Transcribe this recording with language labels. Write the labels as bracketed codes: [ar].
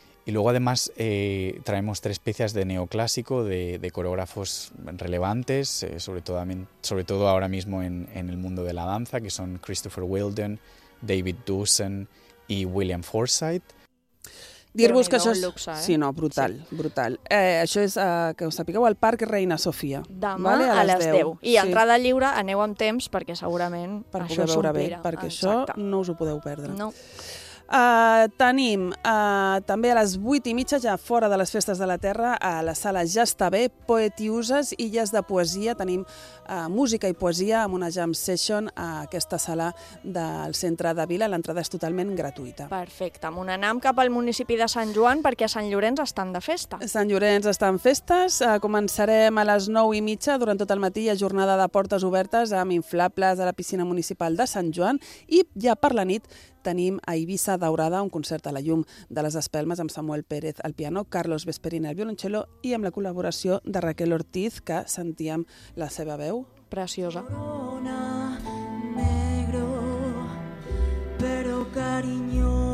[es] Y luego además traemos tres piezas de neoclásico de coreógrafos relevantes, sobre todo ahora mismo en el mundo de la danza, que son Christopher Wilden, David Dusen y William Forsythe. [ca] Dir-vos que això és... Luxe, eh? [es] Sí, no, brutal, sí. Brutal. [ca] Això és, que us sapigueu, al Parc Reina Sofia. Demà, [es] vale? [ca] A les 10. I sí. Entrada lliure, aneu amb temps, perquè segurament per això s'omplirà. Bé, perquè exacte, això no us ho podeu perdre. No. Tenim també a les 8:30, ja fora de les Festes de la Terra, a la sala Ja està bé, Poetiuses, Illes de Poesia. Tenim música i poesia amb una jam session a aquesta sala del centre de Vila. L'entrada és totalment gratuïta. Perfecte. Amb un anam cap al municipi de Sant Joan, perquè a Sant Llorenç estan de festa. Sant Llorenç estan festes. Començarem a les 9:30, durant tot el matí, a jornada de portes obertes amb inflables a la piscina municipal de Sant Joan. I ja per la nit tenim a Eivissa Daurada un concert a la llum de les espelmes amb Samuel Pérez al piano, Carlos Vesperín al violoncello i amb la col·laboració de Raquel Ortiz, que sentíem la seva veu. Preciosa. Corona negro, pero cariño.